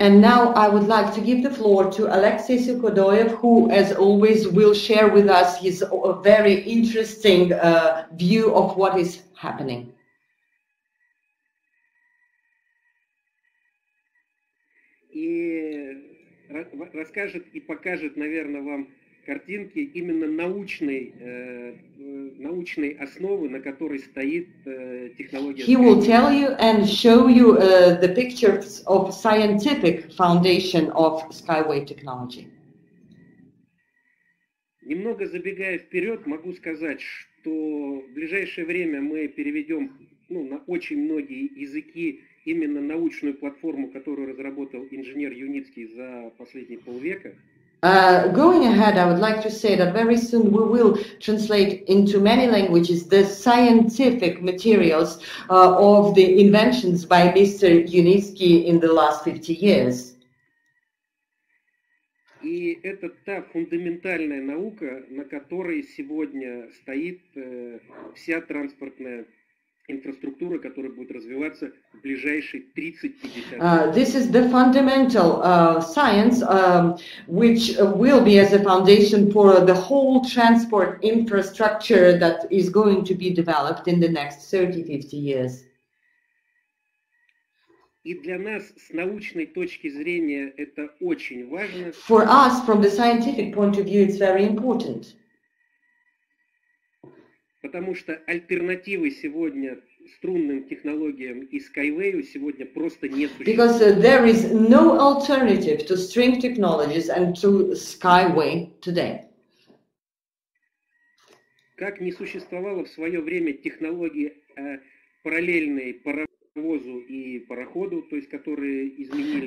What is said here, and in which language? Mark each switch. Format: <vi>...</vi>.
<en>And now I would like to give the floor to Alexey Sukhodoyev, who, as always, will share with us his very interesting view of what is happening.</en> <ru>И расскажет и покажет, наверное, вам картинки именно научной основы, на которой стоит технология.</ru> <en>He will tell you and show you the pictures of scientific foundation of Skyway technology.</en> <ru>Немного забегая вперед, могу сказать, что в ближайшее время мы переведем на очень многие языки именно научную платформу, которую разработал инженер Юницкий за последние полвека.</ru> <en>Going ahead, I would like to say that very soon we will translate into many languages the scientific materials of the inventions by Mr. Юницкий in the last 50 years.</en> <ru>И это та фундаментальная наука, на которой сегодня стоит вся транспортная инфраструктура, которая будет развиваться в ближайшие 30-50 лет.</ru> <en>This is the fundamental science, which will be as a foundation for the whole transport infrastructure that is going to be developed in the next 30-50 years.</en> <ru>И для нас с научной точки зрения это очень важно.</ru> <en>For us, from the scientific point of view, it's very important.</en> <ru>Потому что альтернативы сегодня струнным технологиям и Skyway сегодня просто не существует.</ru> <en>Because there is no alternative to string technologies and to Skyway today.</en> <ru>Как не существовало в свое время технологии параллельной паровозу и пароходу, то есть которые изменили...</ru>